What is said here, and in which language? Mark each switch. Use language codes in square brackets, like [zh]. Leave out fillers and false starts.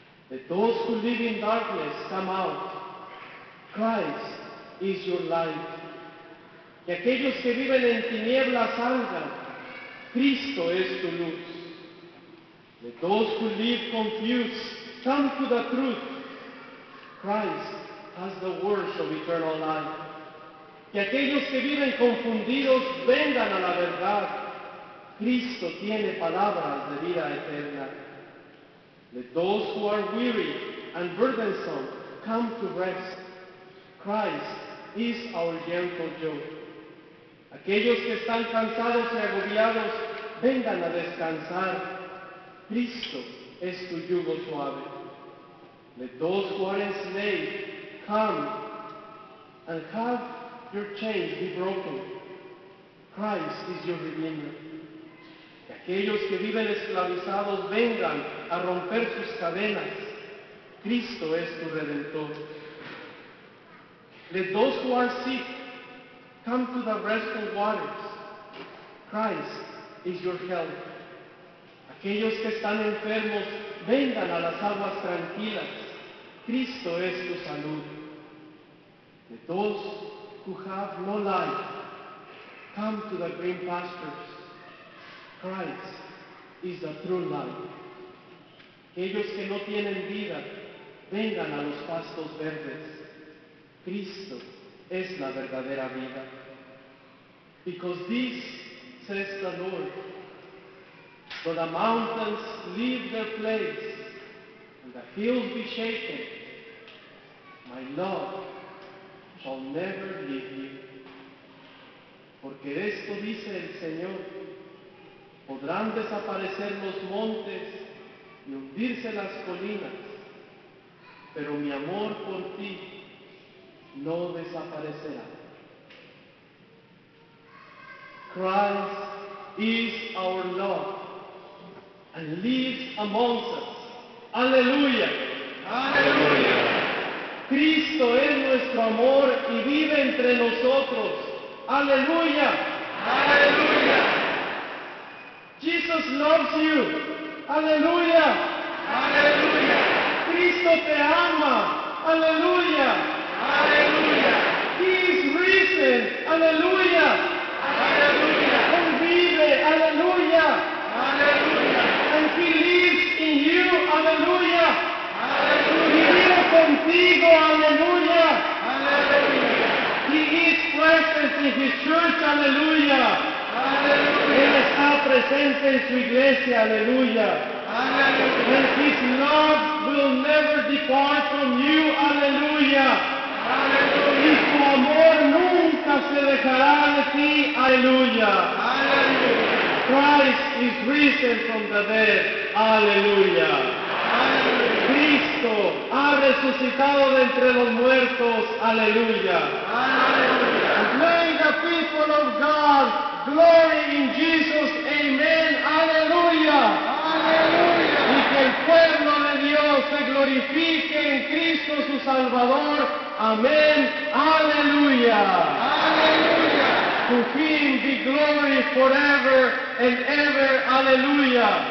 [en] Let those who live in darkness come out. Christ is your light. [es] Y aquellos que viven en tinieblas salgan. Cristo es tu luz. [en] Let those who live confused come to the truth. Christ has the words of eternal life. [es] Y aquellos que viven confundidos vengan a la verdad. Cristo tiene palabras de vida eterna. [en] Let those who are weary and burdensome come to rest. Christ is our gentle yoke. [es] Aquellos que están cansados y agobiados, vengan a descansar. Cristo es tu yugo suave. [en] Let those who are enslaved come and have your chains be broken. Christ is your redeemer. [es] Y aquellos que viven esclavizados vengan a romper sus cadenas. Cristo es tu redentor. [en] Let those who are sick come to the restful waters. Christ is your health. [es] Aquellos que están enfermos vengan a las aguas tranquilas. Cristo es tu salud. [en] Let those who have no life come to the green pastures. Christ is the true life. [es] Aquellos que no tienen vida, vengan a los pastos verdes. Cristo es la verdadera vida. [en] Because this, says the Lord, though the mountains leave their place and the hills be shaken, my love shall never leave you. [es] Porque esto dice el Señor. Podrán desaparecer los montes y hundirse las colinas, pero mi amor por ti no desaparecerá. [en] Christ is our Lord and lives amongst us. [es] Aleluya. Aleluya. Cristo es nuestro amor y vive entre nosotros. Aleluya. Aleluya. [en] Jesus loves you. Aleluya. [es] Aleluya. Cristo te ama. Aleluya. Aleluya. [en] He is risen. Aleluya. [es] Aleluya. Él vive. Aleluya. Aleluya. [en] And he lives in you. Aleluya. [es] Aleluya. Y vive contigo. Aleluya. Aleluya. [en] He is present in his church. Aleluya. [es] Aleluya. Él está presente en su iglesia. Aleluya. Aleluya. [en] And his love will never depart from you. [es] Aleluya. Aleluya. Y su amor nunca se dejará de ti. Aleluya. Aleluya. [en] Christ is risen from the dead. Aleluya. [es] Aleluya. Cristo ha resucitado de entre los muertos. Aleluya. Aleluya. [en] And may the people of God glory in Jesus. [es] Amen. Aleluya. Aleluya. Y que el pueblo de Dios se glorifique en Cristo su Salvador. Amén. Aleluya. Aleluya. [en] To him be glory forever and ever. Aleluya.